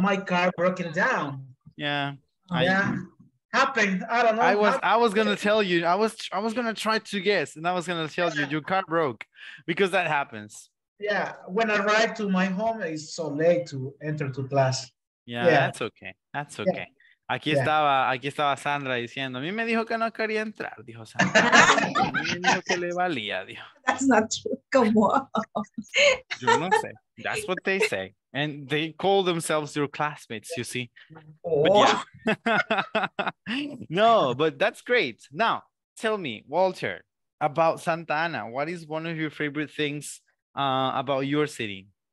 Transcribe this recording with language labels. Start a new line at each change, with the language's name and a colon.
English: My car broken down. Yeah. Happened. I don't know. I was gonna tell you. I was gonna try to guess, and I was gonna tell you your car broke, because that happens. Yeah. When I arrived to my home, it's so late to enter to class. Yeah. That's okay. That's okay. Yeah.
Spanish: Aquí estaba Sandra diciendo, a mí me dijo que no quería entrar, dijo Sandra. A mí me dijo que le valía, dijo.
English: That's not true. Come on.
Spanish: Yo no sé.
English: That's what they say. And they call themselves your classmates, you see. Oh. But yeah. No, but that's great. Now, tell me, Walter, about Santa Ana. What is one of your favorite things about your city?